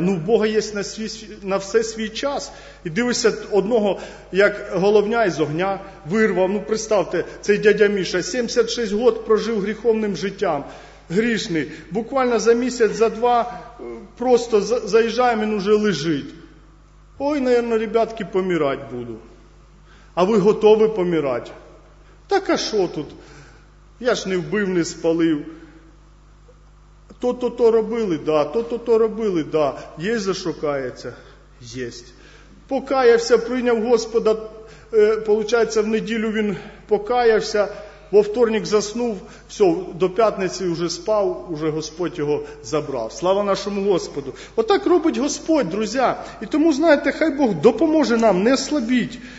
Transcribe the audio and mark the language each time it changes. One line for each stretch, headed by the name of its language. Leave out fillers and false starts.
Ukrainian: Ну, в Бога є на все свій час. І дивишся одного, як головня із огня вирвав, ну, представте, цей дядя Міша, 76 років прожив гріховним життям, грішний. Буквально за місяць, за два, просто заїжджає, він уже лежить.
Russian: Ой, наверное, ребятки, помирать буду.
Ukrainian: А ви готові помирати? Так, а що тут? Я ж не вбив, не спалив. То-то-то робили, да, то-то-то робили, да. Є за що каяться? Єсть. Покаявся, прийняв Господа, получається, в неділю він покаявся, во вторник заснув, все, до п'ятниці вже спав, вже Господь його забрав. Слава нашому Господу! Отак робить Господь, друзі. І тому, знаєте, хай Бог допоможе нам, не слабіть.